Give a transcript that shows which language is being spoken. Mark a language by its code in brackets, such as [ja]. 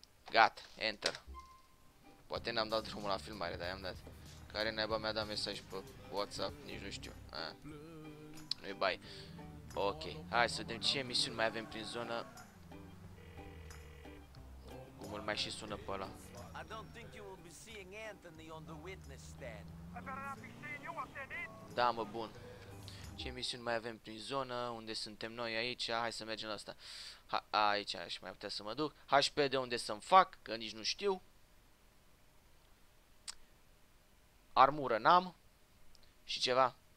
[ro] Gat, enter. Poate n-am dat drumul la filmare, dar i-am dat. Care naiba mi-a dat mesaj pe WhatsApp, nici nu știu. Nu-i bai. Ok, hai să vedem ce misiuni mai avem prin zonă. Cum îl mai și sună pe ăla. [en] I don't think you will be seeing Anthony on the witness stand. [ro] Da, mă, bun. Ce misiuni mai avem prin zonă, unde suntem noi aici, hai să mergem la asta. Aici aș mai putea să mă duc. HP de unde să-mi fac, că nici nu știu. Armură n-am. Și ceva.